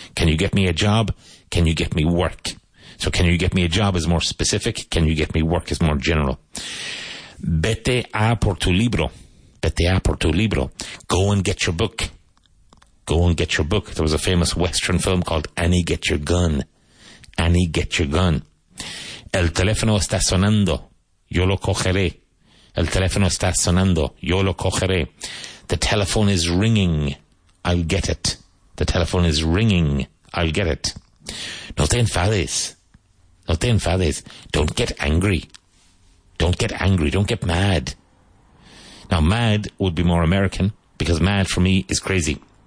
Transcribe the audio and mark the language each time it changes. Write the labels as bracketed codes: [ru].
[en] Can you get me a job? Can you get me work? So can you get me a job is more specific. Can you get me work is more general. [es] Vete a por tu libro. Vete a por tu libro. [en] Go and get your book. Go and get your book. There was a famous Western film called Annie Get Your Gun. Annie Get Your Gun. [es] El teléfono está sonando. Yo lo cogeré. El teléfono está sonando. Yo lo cogeré. [en] The telephone is ringing. I'll get it. The telephone is ringing. I'll get it. [es] No te enfades. No te enfades. [en] Don't get angry. Don't get angry. Don't get mad. Now, mad would be more American, because mad for me is crazy.